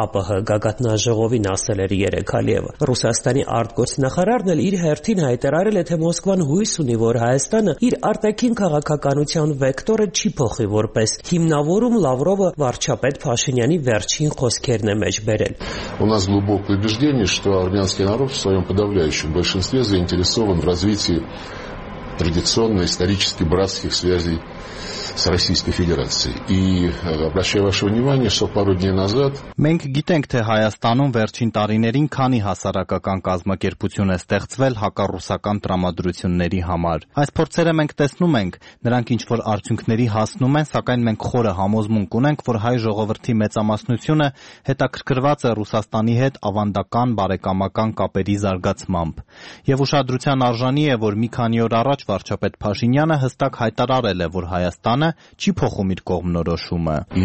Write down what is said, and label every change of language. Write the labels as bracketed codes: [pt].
[hy] ԱՊՀ գագաթնաժողովին, ասել էր Երեք Ալիևը։ Ռուսաստանի արտգործնախարարն էլ իր հերթին հայտարարել է, թե Մոսկվան հույս ունի, որ Հայաստանը իր արտաքին քաղաքականության վեկտորը չի փոխի, որ պես հիմնավորում Լավրովը վարչապետ Փաշինյանի վերջին խոսքերն է մեջ բերել։ [ru] Ունաս глубокое убеждение, что армянский народ в своём подавляющем большинстве заинтересован в развитии традиционных исторически братских связей с Российской Федерацией. И обращаю ваше внимание, что пару дней назад [hy] մենք գիտենք, թե Հայաստանում վերջին տարիներին քանի հասարակական կազմակերպություն է ստեղծվել հակառուսական տրամադրությունների համար։ Այս փորձերը մենք տեսնում ենք, նրանք ինչ որ արդյունքների հասնում են, սակայն մենք խորը համոզմունք ունենք, որ հայ ժողովրդի մեծամասնությունը հետաքրքրված է Ռուսաստանի հետ ավանդական բարեկամական կապերի զարգացմամբ։ Եվ ուշադրության արժանի է, որ մի քանի օր առաջ վարչապետ Փաշինյանը հստակ հայտարարել է, որ Հայաստանը չի փոխում իր կողմնորոշումը։